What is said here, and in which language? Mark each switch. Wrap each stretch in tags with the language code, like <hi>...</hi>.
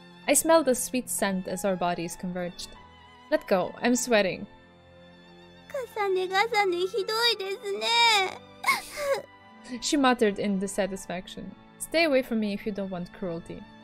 <en>I smelled a sweet scent as our bodies converged. Let go, I'm sweating.</en> <ja>重ね重ねひどいですね。</ja> <en>She muttered in dissatisfaction. Stay away from me if you don't want cruelty.</en>